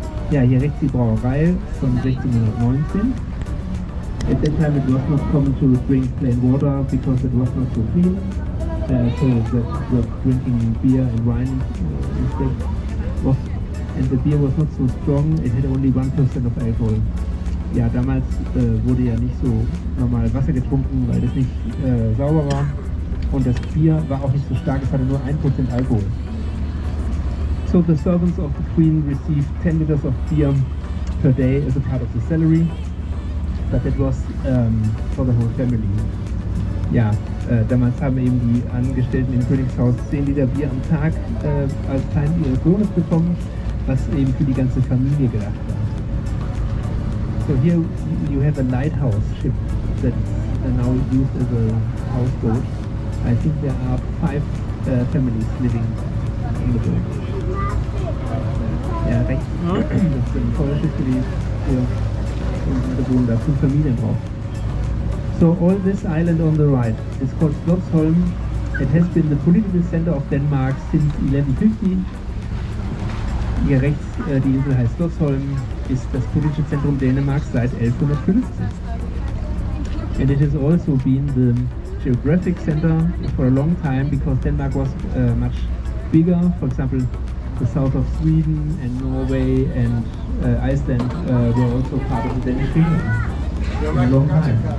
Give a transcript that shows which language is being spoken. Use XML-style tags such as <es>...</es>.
<en>Yeah, here</en> <de>rechts die Brauerei</de> <en>from 1619. At that time it was not common to drink plain water because it was not so clean. So that drinking beer and wine instead was and the beer was not so strong, it had only 1% of alcohol.</en> <de>Ja, damals wurde ja nicht so normal Wasser getrunken, weil das nicht sauber war. Und das Bier war auch nicht so stark, es hatte nur 1% Alkohol.</de> <en>So the servants of the Queen received 10 liters of beer per day as a part of the salary. But it was for the whole family.</en> <de>Ja, damals haben eben die Angestellten im Königshaus 10 Liter Bier am Tag als Teil ihres Lohnes bekommen, was eben für die ganze Familie gedacht war.</de> <en>So here you have a lighthouse ship that's now used as a houseboat. I think there are 5 families living in the boat.</en> <de>Ja, rechts, das sind volle Schiffe, die hier wohnen, da 5 Familien drauf.</de> <en>So all this island on the right is called Slotsholm. It has been the political center of Denmark since 1150.</en> <de>Hier rechts, die Insel heißt Slotsholm, ist das politische Zentrum Dänemarks seit 1150.</de> <en>And it has also been the geographic center for a long time because Denmark was much bigger. For example, the south of Sweden and Norway and Iceland were also part of the Danish Kingdom for a long time.</en>